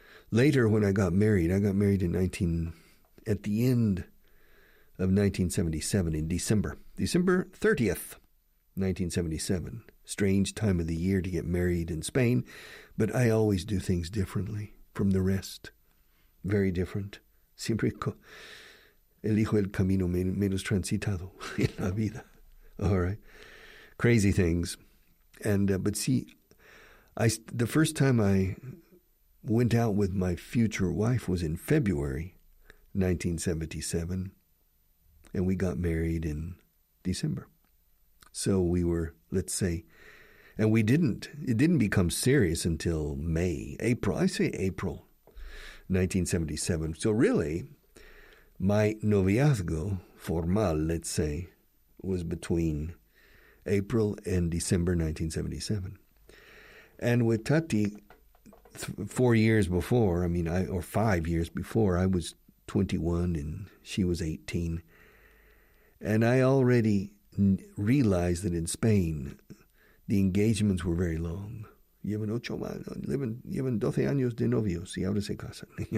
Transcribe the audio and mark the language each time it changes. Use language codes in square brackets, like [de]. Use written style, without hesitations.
[en] Later, when I got married at the end of 1977, in December. December 30th, 1977. Strange time of the year to get married in Spain. But I always do things differently from the rest. Very different. [es] Siempre elijo el camino menos transitado en la vida. [en] All right. Crazy things. The first time I went out with my future wife was in February 1977, and we got married in December. So we were, let's say, and it didn't become serious until April 1977. So really, my [es] noviazgo, [en] formal, let's say, was between April and December 1977. And with Tati, 4 years before, or 5 years before, I was 21 and she was 18. And I already realized that in Spain, the engagements were very long. [es] Llevan 12 años de novios y ahora se casan.